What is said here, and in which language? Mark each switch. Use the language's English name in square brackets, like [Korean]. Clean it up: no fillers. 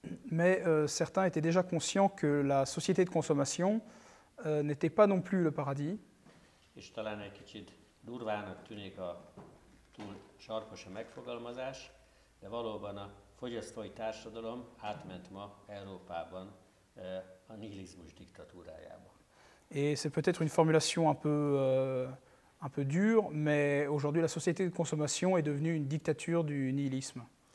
[French] Mais certains étaient déjà conscients que la société de consommation n'était pas non plus le paradis. [Hungarian] És talán egy kicsit durvának tűnik a túl sarkos a megfogalmazás, de valóban a fogyasztói társadalom átment ma Európában a nihilizmus diktatúrájába. [French] Et c'est peut-être une formulation un peu dure, mais aujourd'hui la société de consommation est devenue une dictature du nihilisme.